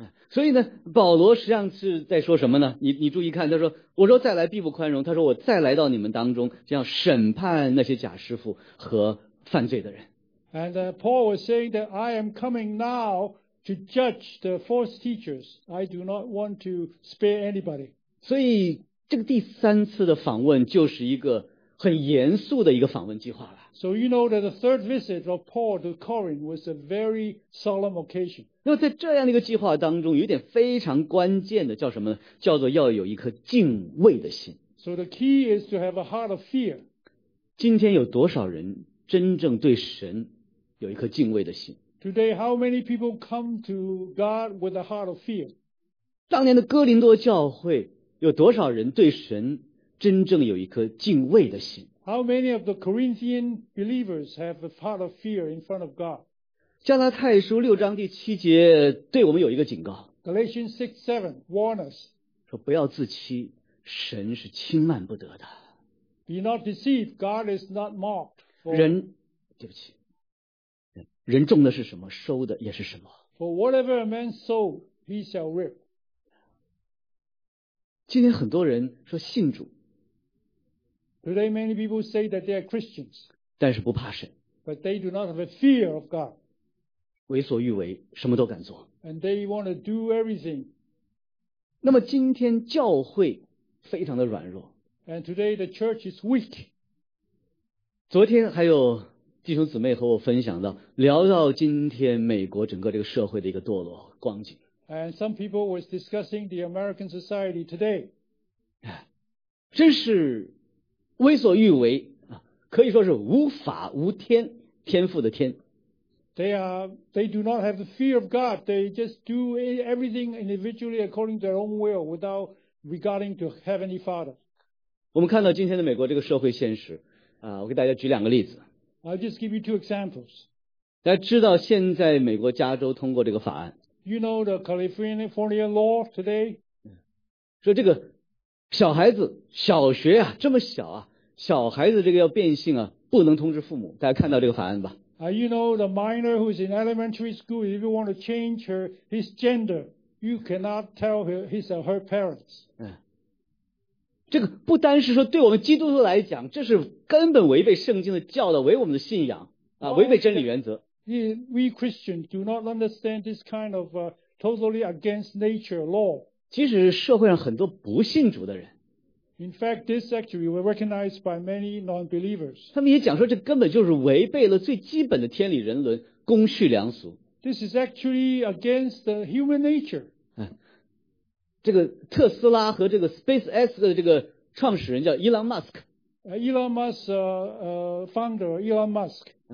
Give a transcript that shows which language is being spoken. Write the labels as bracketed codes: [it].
[zh] 所以呢，保罗实际上是在说什么呢？你注意看，他说，我说再来必不宽容，他说我再来到你们当中，就要审判那些假师傅和犯罪的人。 [en] And Paul was saying that I am coming now to judge the false teachers. I do not want to spare anybody. [zh] 所以这个第三次的访问就是一个很严肃的一个访问计划了。 [en] So you know that the third visit of Paul to Corinth was a very solemn occasion. [zh] 那么在这样的一个计划当中，有一点非常关键的叫什么呢？叫做要有一颗敬畏的心。 [en] So the key is to have a heart of fear. [zh] 今天有多少人真正对神有一颗敬畏的心？ [en] Today, how many people come to God with a heart of fear? [zh] 当年的哥林多教会有多少人对神真正有一颗敬畏的心？ [en] How many of the Corinthian believers have a heart of fear in front of God? [zh] 加拉太书六章第七节对我们有一个警告。 [en] Galatians 6:7 warn us. [zh] 说不要自欺，神是轻慢不得的。 [en] Be not deceived, God is not mocked. [zh] 人，对不起，人种的是什么，收的也是什么。 [en] For whatever a man sow, he shall reap. [zh] 今天很多人说信主。 [en] Today many people say that they are Christians. [zh] 但是不怕神。 [en] But they do not have a fear of God. [zh] 为所欲为，什么都敢做。 [en] And they want to do everything. [zh] 那么今天教会非常的软弱。 [en] And today the church is weak. [zh] 昨天还有弟兄姊妹和我分享到，聊到今天美国整个这个社会的一个堕落光景。 [en] And some people were discussing the American society today. [zh] 真是为所欲为，可以说是无法无天，天父的天。 [en] They do not have the fear of God. They just do everything individually according to their own will without regarding to Heavenly Father. [zh] 我们看到今天的美国这个社会现实，我给大家举两个例子。 [en] I'll just give you two examples. [zh] 大家知道现在美国加州通过这个法案。 [en] You know the California law today? [zh] 说这个小孩子小学啊，这么小啊，小孩子这个要变性啊，不能通知父母。大家看到这个法案吧。 [en] You know the minor who is in elementary school, if you want to change his gender, you cannot tell his or her parents. [zh] 这个不单是说对我们基督徒来讲，这是根本违背圣经的教导，违我们的信仰啊，违背真理原则。 [en] We Christians do not understand this kind of totally against nature law. [zh] 即使是社会上很多不信主的人， [en] In fact, this actually were recognized by many non-believers. [zh] 他们也讲说这根本就是违背了最基本的天理人伦，公序良俗。 [en] This is actually against the human nature. [zh] 这个特斯拉和这个 SpaceX 的这个创始人叫 Elon Musk. [en] Elon Musk, founder Elon Musk.